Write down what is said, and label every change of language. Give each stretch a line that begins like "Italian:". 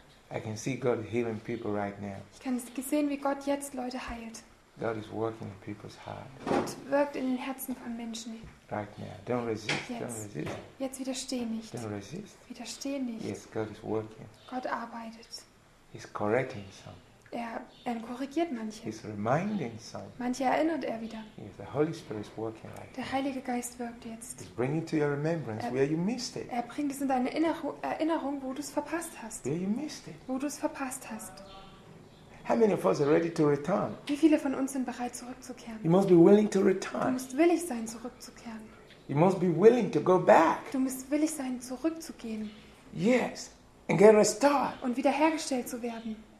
English: I can see God healing people right now.
German: Ich kann sehen, wie Gott jetzt Leute heilt.
English: God is working in people's heart.
German: Gott wirkt in den Herzen von Menschen.
English: Right now. Don't resist.
German: Jetzt.
English: Don't resist.
German: Jetzt widersteh nicht.
English: Don't resist.
German: Widersteh nicht.
English: Yes, God is working.
German: Gott arbeitet.
English: He's correcting some.
German: Er korrigiert manche.
English: He's reminding some.
German: Manche erinnert er wieder.
English: Yes, the Holy Spirit is working right now.
German: Der Heilige Geist wirkt jetzt.
English: He's bringing to your remembrance where you missed it.
German: Er bringt es in deine Erinnerung, wo du es verpasst hast.
English: Where you missed it.
German: Wo du es verpasst hast.
English: How many of us are ready to return?
German: Wie viele von uns sind bereit zurückzukehren?
English: You must be willing to return.
German: Du musst willig sein zurückzukehren.
English: You must be willing to go back.
German: Du musst willig sein zurückzugehen.
English: Yes, and get restored.
German: Und wiederhergestellt zu werden.